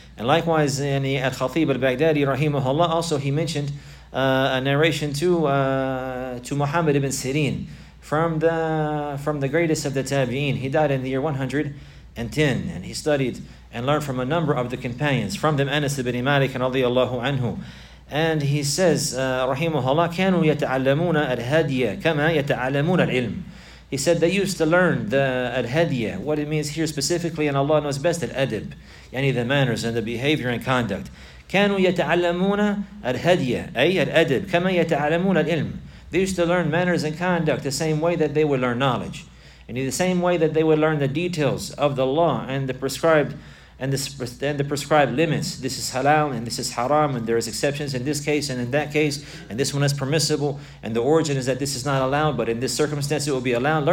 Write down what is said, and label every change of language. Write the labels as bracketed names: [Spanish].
[English] And likewise, in the Al-Khatib al-Baghdadi rahimahullah, also he mentioned a narration to Muhammad ibn Sirin from the greatest of the Tabi'een. He died in the year 110, and he studied and learned from a number of the companions, from them Anas ibn Malik and radiyallahu anhu. And he says, [Arabic] rahimahullah, كانوا يتعلمون الهدية كما يتعلمون العلم. [English] He said they used to learn the الهدية, what it means here specifically, and Allah knows best, الأدب, yani the manners and the behavior and conduct. [Arabic] كانوا يتعلمون الهدية, أي الأدب, كما يتعلمون العلم. [English] They used to learn manners and conduct the same way that they would learn knowledge. And in the same way that they would learn the details of the law and the prescribed limits. This is halal and this is haram, and there is exceptions in this case and in that case, and this one is permissible, and the origin is that this is not allowed, but in this circumstance it will be allowed.